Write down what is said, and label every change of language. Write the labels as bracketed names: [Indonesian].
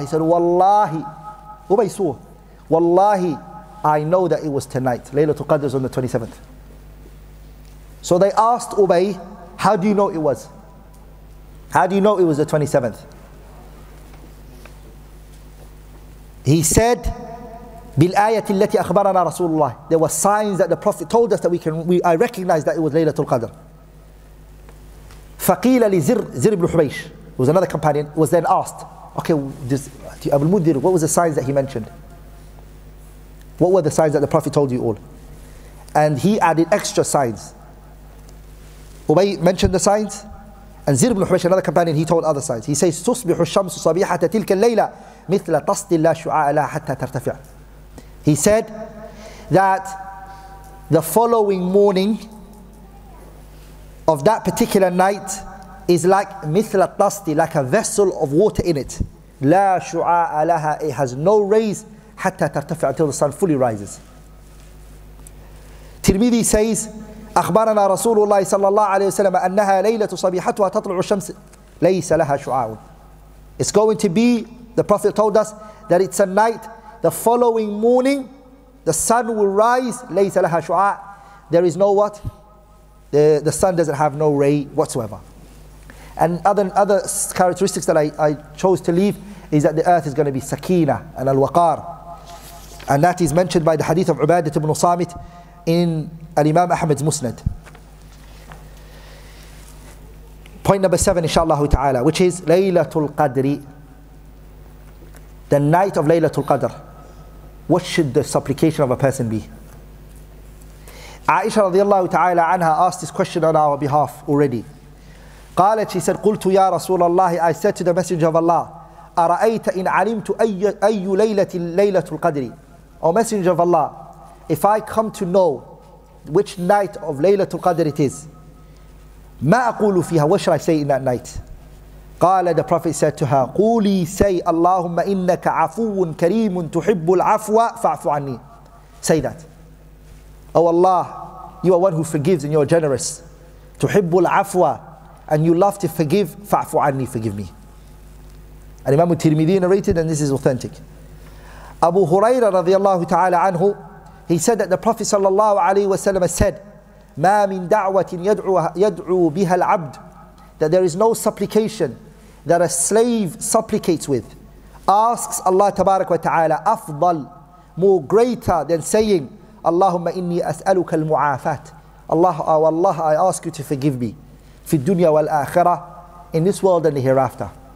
[English] He said, Wallahi, Ubay swore, Wallahi, I know that it was tonight. Laylatul Qadr is on the 27th. So they asked Ubay, how do you know it was? How do you know it was the 27th? He said, [Arabic] بِالْآيَةِ الَّتِي أَخْبَرَنَا رَسُولُ اللَّهِ. [English] There were signs that the Prophet told us that I recognize that it was Laylatul Qadr. [Arabic] فَقِيلَ لِزِرْ بْنُ حُبَيْشِ. [English] It was another companion, was then asked, okay, Abu al-Mudhir, what was the signs that he mentioned? What were the signs that the Prophet told you all? And he added extra signs. Ubay mentioned the signs, and Zir ibn Hubaysh, another companion, he told other signs. [Arabic] He says, تُصْبِحُ الشَّمْسُ صَبِيحَةَ تِلْكَ اللَّيْلَى مِثْلَ تَصْدِ اللَّهِ شُعَاءَ لَهَا حَتَّى تَرْتَفِعَ. [English] He said that the following morning of that particular night is like [Arabic] مِثْلَ تَصْدِ, [English] like a vessel of water in it. [Arabic] لَا شُعَاءَ لَهَا, [English] it has no rays, [Arabic] حَتَّى تَرْتَفِعَ, [English] until the sun fully rises. Tirmidhi says, [Arabic] أخبرنا رسول الله صلى الله عليه وسلم أنها ليلة صبيحتها تطلع الشمس ليس لها شعاع. [English] It's going to be, the Prophet told us that it's a night, the following morning the sun will rise, [Arabic] ليس لها شعاع, [English] there is no what, the sun doesn't have no ray whatsoever. And other characteristics that I chose to leave is that the earth is going to be sakina and al-waqar, and that is mentioned by the hadith of Ubadah ibn Samit in Al-Imam Ahmed's Musnad. Point number 7, inshaAllah ta'ala, which is Laylatul Qadri, the night of Laylatul Qadr. What should the supplication of a person be? Aisha radiallahu ta'ala anha asked this question on our behalf already. [Arabic] Qalat, she said, Qultu ya Rasulallah, [English] I said to the Messenger of Allah, [Arabic] Ara'ayta in alimtu ayyu laylatul qadri. [English] O Messenger of Allah, if I come to know which night of Laylatul Qadr it is, [Arabic] ما أقول فيها, [English] what should I say in that night? [Arabic] قال, [English] the Prophet said to her, [Arabic] قولي, say, اللهم إنك عفو كريم تحب العفو فاعف عني. [English] Say that. Oh Allah, you are one who forgives and you are generous. [Arabic] تحب العفو, [English] and you love to forgive, [Arabic] فاعف عني, [English] forgive me. And Imam al-Tirmidhi narrated, and this is authentic. Abu Huraira رضي الله تعالى عنه, he said that the Prophet sallallahu alaihi wasallam said, [Arabic] "Ma min da'watin yad'u biha al-'abd," [English] that there is no supplication that a slave supplicates with, asks Allah tabarak wa ta'ala, afdal, more greater than saying, [Arabic] "Allahumma inni as'aluka al-mu'afat," [English] Allah, oh Allah, I ask you to forgive me, [Arabic] fi dunya wal akhirah, [English] in this world and the hereafter.